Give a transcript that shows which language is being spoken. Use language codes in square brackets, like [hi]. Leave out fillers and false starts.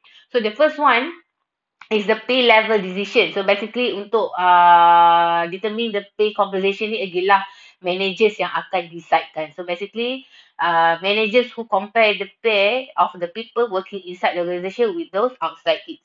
[en] So the first one is the pay level decision. So basically [ms] untuk [en] determine the pay compensation [ms] ni adalah managers yang akan decidekan. [en] So basically managers who compare the pay of the people working inside the organization with those outside it.